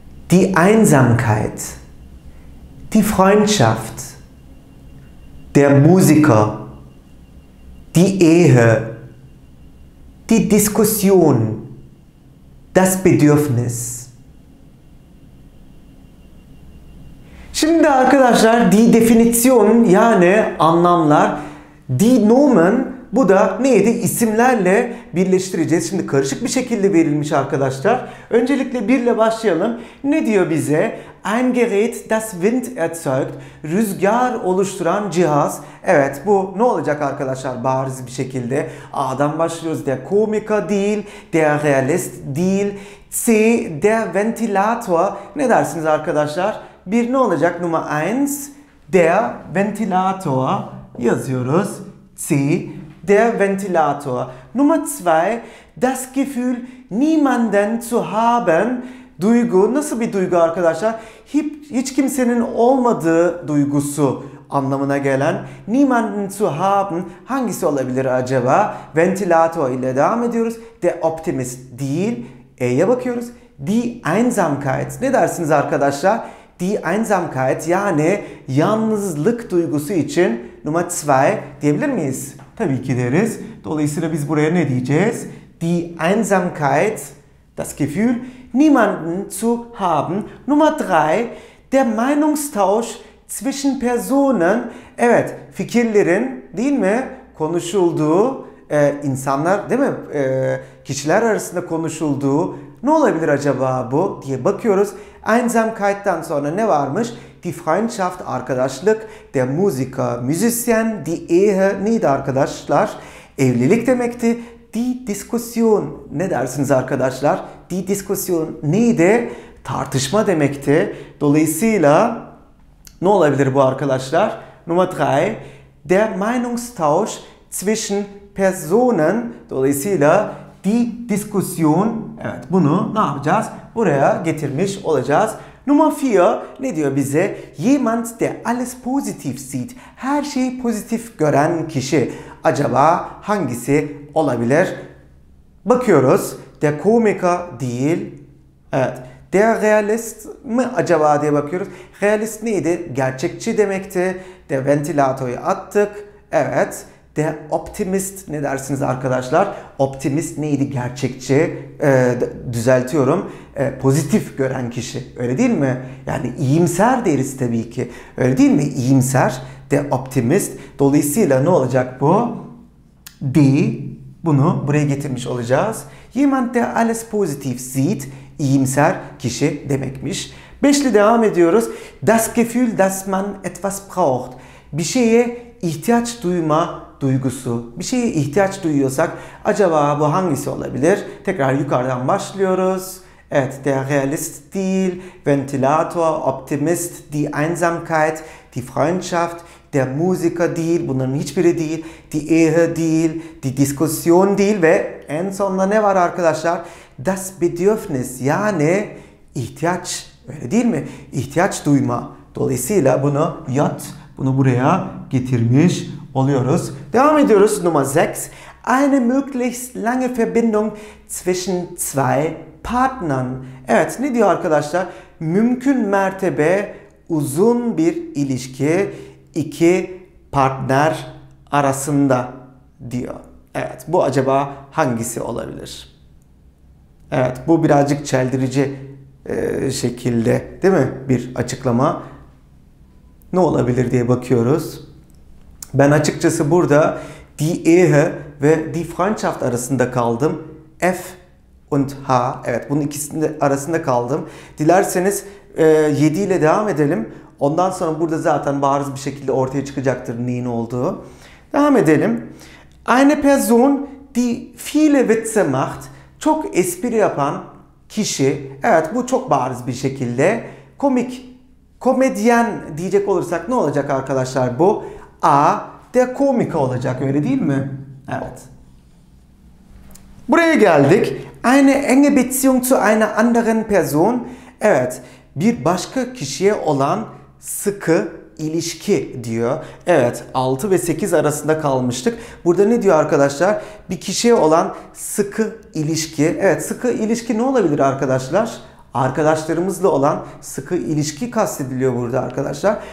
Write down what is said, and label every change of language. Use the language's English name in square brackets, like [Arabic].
[German] Die Einsamkeit. Die Freundschaft. Der Musiker. Die Ehe. Die Diskussion, das Bedürfnis. [Turkish] Şimdi arkadaşlar, die Definition, yani anlamlar, die Nomen, bu da neydi? İsimlerle birleştireceğiz. Şimdi karışık bir şekilde verilmiş arkadaşlar. Öncelikle birle başlayalım. Ne diyor bize? [German] Ein Gerät, das Wind erzeugt. [Turkish] Rüzgar oluşturan cihaz. Evet, bu ne olacak arkadaşlar? Bariz bir şekilde. A'dan başlıyoruz. Der Komiker değil. [German] Der Realist değil. C. Der Ventilator. [Turkish] Ne dersiniz arkadaşlar? Bir ne olacak? Nummer 1. Der Ventilator. Yazıyoruz. C. [German] Der Ventilator. Nummer 2. Das Gefühl, niemanden zu haben. [Turkish] Duygu. Nasıl bir duygu arkadaşlar? Hiç kimsenin olmadığı duygusu anlamına gelen. Niemanden zu haben. Hangisi olabilir acaba? Ventilator ile devam ediyoruz. Der Optimist değil. E'ye bakıyoruz. [German] Die Einsamkeit. [Turkish] Ne dersiniz arkadaşlar? [German] Die Einsamkeit. [Turkish] Yani yalnızlık duygusu için Nummer 2 diyebilir miyiz? Tabii ki deriz. Dolayısıyla biz buraya ne diyeceğiz? [German] Die Einsamkeit, das Gefühl, niemanden zu haben. Nummer 3, der Meinungstausch zwischen Personen. [Turkish] Evet, fikirlerin, değil mi, konuşulduğu, insanlar, değil mi, kişiler arasında konuşulduğu, ne olabilir acaba bu diye bakıyoruz. Einsamkeit'ten sonra ne varmış? Die Freundschaft, arkadaşlık. [German] Der Musiker, müzisyen. Die Ehe, [Turkish] neydi arkadaşlar? Evlilik demekti. Die Diskussion, ne dersiniz arkadaşlar? Die Diskussion neydi? Tartışma demekti. Dolayısıyla ne olabilir bu arkadaşlar? [German] Nummer 3. Der Meinungstausch zwischen Personen. [Turkish] Dolayısıyla die Diskussion. Evet, bunu ne yapacağız? Buraya getirmiş olacağız. Nummer 4 ne diyor bize? [German] Jemand, der alles positiv sieht. [Turkish] Her şeyi pozitif gören kişi. Acaba hangisi olabilir? Bakıyoruz. Der Komiker değil. Evet. Der Realist mi acaba diye bakıyoruz. Realist neydi? Gerçekçi demekti. Der Ventilator'u attık. Evet. Der Optimist, ne dersiniz arkadaşlar? Optimist neydi? Gerçekçi. Düzeltiyorum. Pozitif gören kişi. Öyle değil mi? Yani iyimser deriz tabii ki. Öyle değil mi? İyimser. Der Optimist. Dolayısıyla ne olacak bu? D. Bunu buraya getirmiş olacağız. [German] Jemand, der alles positiv sieht. [Turkish] İyimser kişi demekmiş. Beşli devam ediyoruz. [German] Das Gefühl, dass man etwas braucht. [Turkish] Bir şeye ihtiyaç duyma duygusu. Bir şeye ihtiyaç duyuyorsak acaba bu hangisi olabilir? Tekrar yukarıdan başlıyoruz. Evet, der Realist değil. Ventilator, Optimist, die Einsamkeit, die Freundschaft, der Musiker değil. Bunların hiçbiri değil. Die Ehe değil. Die Diskussion değil. Ve en sonunda ne var arkadaşlar? Das Bedürfnis. Yani ihtiyaç. Öyle değil mi? İhtiyaç duyma Dolayısıyla bunu yat, bunu buraya getirmiş oluyoruz. Devam ediyoruz numara 6. [German] Eine möglichst lange Verbindung zwischen zwei Partnern. [Turkish] Evet, ne diyor arkadaşlar? Mümkün mertebe uzun bir ilişki iki partner arasında diyor. Evet, bu acaba hangisi olabilir? Evet, bu birazcık çeldirici şekilde, değil mi? Bir açıklama. Ne olabilir diye bakıyoruz. Ben açıkçası burada die Ehe ve die Freundschaft arasında kaldım. F und H. Evet, bunun ikisinin arasında kaldım. Dilerseniz 7 ile devam edelim. Ondan sonra burada zaten bariz bir şekilde ortaya çıkacaktır neyin olduğu. Devam edelim. [German] Eine Person, die viele Witze macht. [Turkish] Çok espri yapan kişi. Evet, bu çok bariz bir şekilde. Komik. Komedyen diyecek olursak ne olacak arkadaşlar bu? A, der Komiker olacak, öyle değil mi? Evet. Buraya geldik. [German] Eine enge Beziehung zu einer anderen Person. [Turkish] Evet, bir başka kişiye olan sıkı ilişki diyor. Evet, 6 ve 8 arasında kalmıştık. Burada ne diyor arkadaşlar? Bir kişiye olan sıkı ilişki. Evet, sıkı ilişki ne olabilir arkadaşlar? Arkadaşlarımızla olan sıkı ilişki kastediliyor burada arkadaşlar.